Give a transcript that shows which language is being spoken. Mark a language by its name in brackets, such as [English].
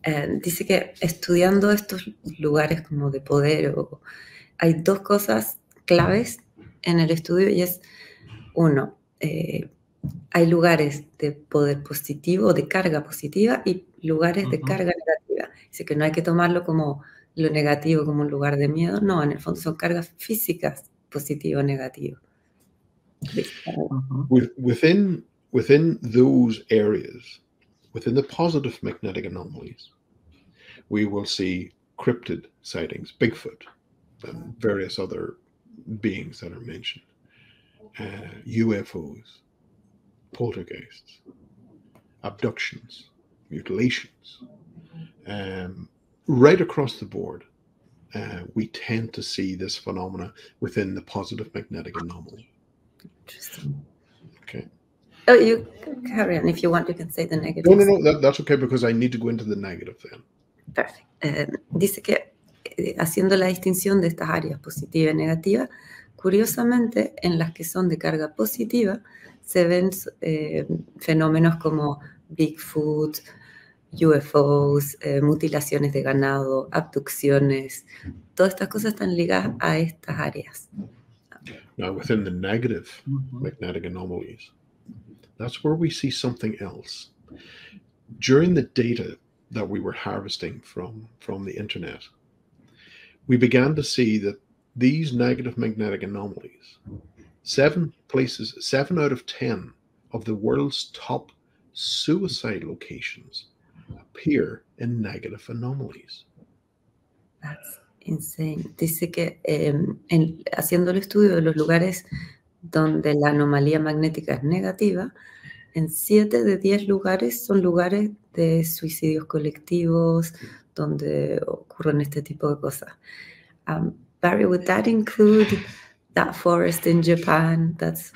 [Spanish] Dice que estudiando estos lugares como de poder, o, hay dos cosas claves en el estudio, y es, uno, hay lugares de poder positivo, de carga positiva, y lugares uh-huh. de carga negativa. Dice que no hay que tomarlo como lo negativo como un lugar de miedo. No, en el fondo son cargas físicas, positivo o negativo. Uh-huh. [English] Within those areas, within the positive magnetic anomalies, we will see cryptid sightings, Bigfoot, and various other beings that are mentioned, UFOs, poltergeists, abductions, mutilations. Right across the board, we tend to see this phenomena within the positive magnetic anomaly. Interesting. Okay. Oh, you can carry on if you want. You can say the negative. No, that's okay, because I need to go into the negative then. Perfect. [Spanish] Dice que haciendo la distinción de estas áreas positiva y negativa, curiosamente, en las que son de carga positiva, se ven fenómenos como Bigfoot, UFOs, mutilaciones de ganado, abducciones, todas estas cosas están ligadas a estas áreas. [English] Now, within the negative mm-hmm. magnetic anomalies, that's where we see something else. During the data that we were harvesting from the internet, we began to see that these negative magnetic anomalies, seven out of 10 of the world's top suicide locations appear in negative anomalies. That's insane. [Spanish] Dice que haciendo el estudio de los lugares donde la anomalía magnética es negativa, en 7 de 10 lugares son lugares de suicidios colectivos, donde ocurren este tipo de cosas. [English] Barry, would that include that forest in Japan that's